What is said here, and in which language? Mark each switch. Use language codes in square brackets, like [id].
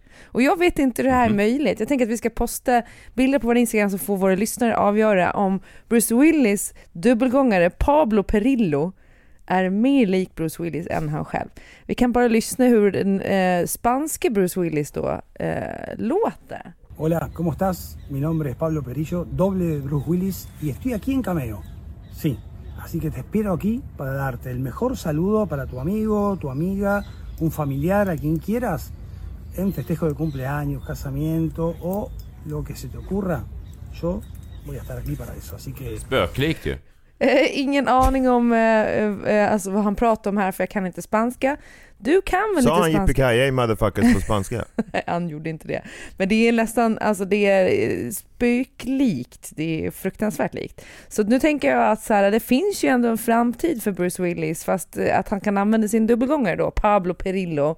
[sv] Och jag vet inte hur det här är möjligt. Jag tänker att vi ska posta bilder på vår Instagram så får våra lyssnare avgöra om Bruce Willis dubbelgångare Pablo Perillo är mer lik Bruce Willis än han själv. Vi kan bara lyssna hur den spanske Bruce Willis då låter. [es] Hola, ¿cómo estás? Mi nombre es Pablo Perillo, doble de Bruce Willis y estoy aquí en cameo. Sí, así que te espero aquí para darte el mejor saludo para tu amigo, tu amiga, un familiar, a quien quieras. En festejo de cumpleaños, casamiento o lo que se te ocurra, yo voy a estar aquí para eso. Así que... [sv] Spöklikt ju. Ingen aning om alltså, vad han pratar om här, för jag kan inte spanska. Du kan väl sa lite spanska? Sa han [en] yippee-ki-yay motherfuckers [sv] på spanska? Han gjorde inte det. Men det är nästan, alltså, det är spöklikt. Det är fruktansvärt likt. Så nu tänker jag att så här, det finns ju ändå en framtid för Bruce Willis, fast att han kan använda sin dubbelgångare då, Pablo Perillo.